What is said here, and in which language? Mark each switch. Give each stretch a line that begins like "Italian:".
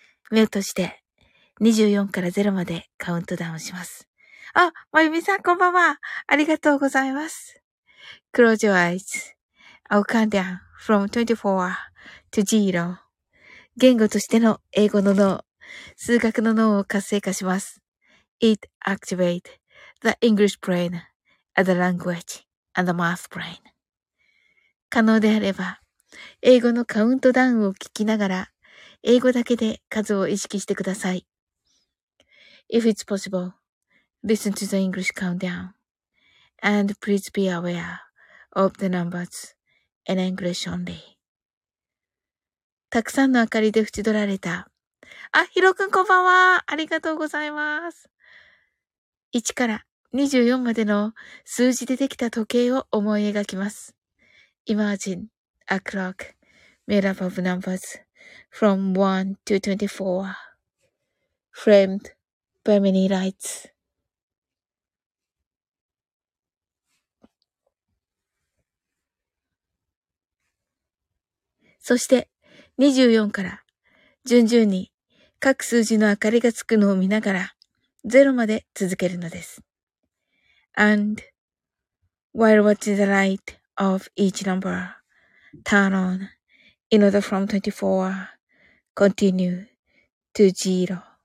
Japanese: 目を閉じて24から0までカウントダウンします。あ、まゆみさん、こんばんは。ありがとうございます。
English: Close your eyes. I'll count down from 24 to 0.
Japanese: 言語としての英語の脳、数学の脳を活性化します。
English: It activates the English brain and the language and the math brain.
Japanese: 可能であれば、英語のカウントダウンを聞きながら、英語だけで数を意識してください。
English: If it's possible, listen to the English countdown. And please be aware of the numbers in English only.
Japanese: たくさんの明かりで縁取られた。あ、ヒロ君こんばんは。ありがとうございます。1から24までの数字でできた時計を思い描きます。
English: Imagine a clock made up of numbers from 1 to 24, framed by many lights.
Japanese: そして、24から順々に各数字の明かりがつくのを見ながら0まで続けるのです。
English: And while watching the light of each number turn on in order from 24 continue to 0.